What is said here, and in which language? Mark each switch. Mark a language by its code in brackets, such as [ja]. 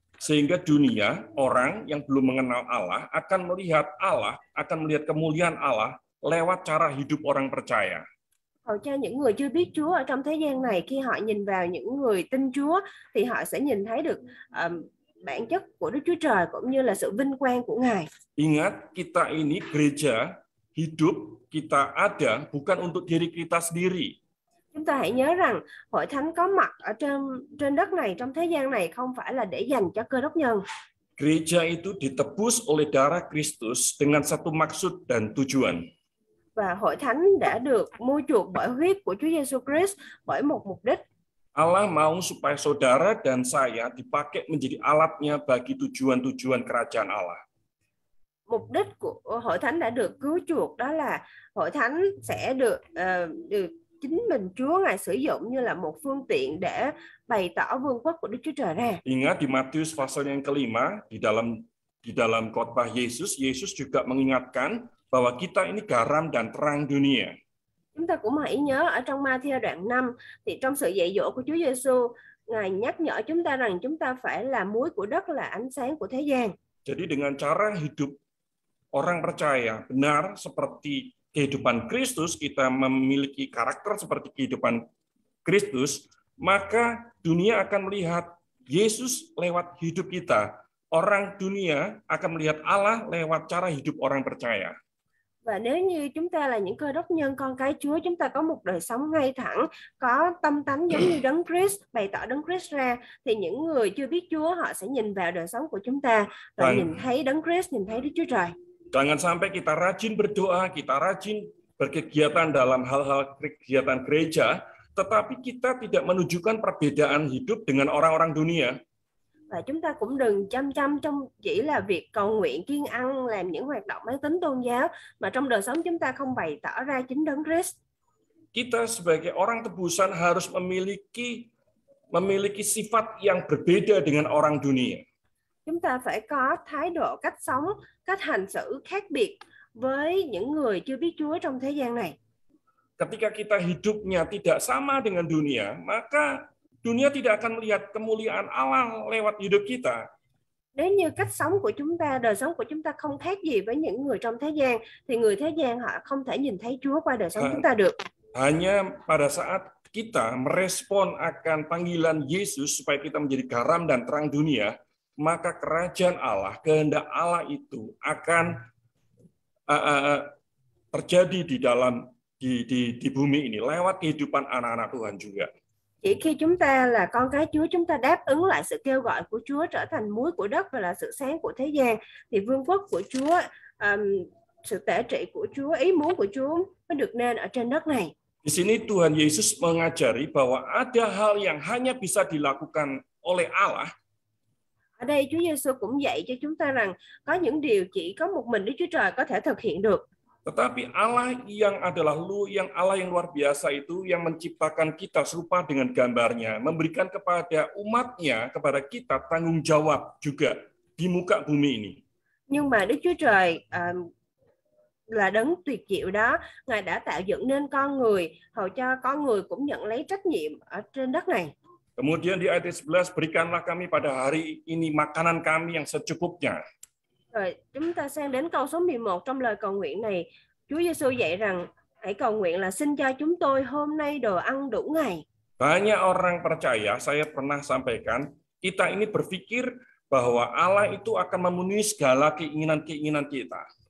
[id] Sehingga dunia, orang yang belum mengenal Allah akan melihat Allah, akan melihat kemuliaan Allah lewat cara hidup orang percaya. [vi] Còn cho những người chưa biết Chúa ở trong thế gian này, khi họ nhìn vào những người tin Chúa thì họ sẽ nhìn thấy được bản chất của Đức Chúa Trời cũng như là sự vinh quang của Ngài. [id] Ingat, kita ini gereja, hidup kita ada bukan untuk diri kita sendiri. [vi] Chúng ta hãy nhớ rằng hội thánh có mặt ở trên đất này, trong thế gian này không phải là để dành cho cơ đốc nhân. [id] Gereja itu ditebus oleh darah Kristus dengan satu maksud dan tujuan. [vi] Và hội thánh đã được mua chuộc bởi huyết của Chúa Giêsu Christ bởi một mục đích. [id] Allah mau supaya saudara dan saya dipakai menjadi alatnya bagi tujuan-tujuan kerajaan Allah. [vi] Mục đích của hội thánh đã được cứu chuộc đó là hội thánh sẽ được được chính mình Chúa Ngài sử dụng như là một phương tiện để bày tỏ vương quốc của Đức Chúa Trời ra. [id] Ingat di Matius pasal yang kelima di dalam khotbah Yesus, Yesus juga mengingatkan bahwa kita ini garam dan terang dunia. [vi] Chúng ta cũng hãy nhớ ở trong Ma-thi-ơ đoạn 5 thì trong sự dạy dỗ của Chúa Giê-xu, Ngài nhắc nhở chúng ta rằng chúng ta phải là muối của đất, là ánh sáng của thế gian. [id] Jadi dengan cara hidup orang percaya benar seperti kehidupan Kristus, kita memiliki karakter seperti kehidupan Kristus, maka dunia akan melihat Yesus lewat hidup kita. Orang dunia akan melihat Allah lewat cara hidup orang percaya. [vi] Và nếu như chúng ta là những cơ đốc nhân con cái Chúa, chúng ta có một đời sống ngay thẳng, có tâm tánh giống như Đấng Christ, bày tỏ Đấng Christ ra, thì những người chưa biết Chúa họ sẽ nhìn vào đời sống của chúng ta và nhìn thấy Đấng Christ, nhìn thấy Đức Chúa Trời. [id] Jangan sampai kita rajin berdoa, kita rajin berkegiatan dalam hal-hal kegiatan gereja, tetapi kita tidak menunjukkan perbedaan hidup dengan orang-orang dunia. [vi] Và chúng ta cũng đừng chăm chăm trong chỉ là việc cầu nguyện, kiêng ăn, làm những hoạt động mang tính tôn giáo, mà trong đời sống chúng ta không bày tỏ ra chính Đấng Christ. [id] Kita sebagai orang tebusan harus memiliki sifat yang berbeda dengan orang dunia. [vi] Chúng ta phải có thái độ, cách sống, cách hành xử khác biệt với những người chưa biết Chúa trong thế gian này. [id] Ketika kita hidupnya tidak sama dengan dunia, maka dunia tidak akan melihat kemuliaan Allah lewat hidup kita. [vi] Nếu như cách sống của chúng ta, đời sống của chúng ta không khác gì với những người trong thế gian, thì người thế gian họ không thể nhìn thấy Chúa qua đời sống chúng ta được. [id] Hanya pada saat kita merespon akan panggilan Yesus supaya kita menjadi garam dan terang dunia, maka kerajaan Allah, kehendak Allah itu akan terjadi di dalam di bumi ini lewat kehidupan anak-anak Tuhan juga. [vi] Chỉ khi chúng ta là con cái Chúa, chúng ta đáp ứng lại sự kêu gọi của Chúa trở thành muối của đất và là sự sáng của thế gian, thì vương quốc của Chúa, sự tể trị của Chúa, ý muốn của Chúa mới được nên ở trên đất này. [id] Di sini Tuhan Yesus mengajari bahwa ada hal yang hanya bisa dilakukan oleh Allah. [vi] Ở đây Chúa Giêsu cũng dạy cho chúng ta rằng có những điều chỉ có một mình Đức Chúa Trời có thể thực hiện được. [id] Tetapi Allah yang adalah yang Allah yang luar biasa itu yang menciptakan kita serupa dengan gambarnya, memberikan kepada umatnya, kepada kita tanggung jawab juga di muka bumi ini. [vi] Nhưng mà Đức Chúa Trời là đấng tuyệt diệu đó, Ngài đã tạo dựng nên con người, hầu cho con người cũng nhận lấy trách nhiệm ở trên đất này. [id] Kemudian di ayat 11, berikanlah kami pada hari ini makanan kami yang secukupnya. [vi] Rồi chúng ta sang đến câu số 11 trong lời cầu nguyện này. Chúa Giêsu dạy rằng hãy cầu nguyện là xin cho chúng tôi hôm nay đồ ăn đủ ngày. [id] Banyak orang percaya, saya pernah sampaikan, kita ini berpikir bahwa Allah itu akan memenuhi segala keinginan-keinginan kita.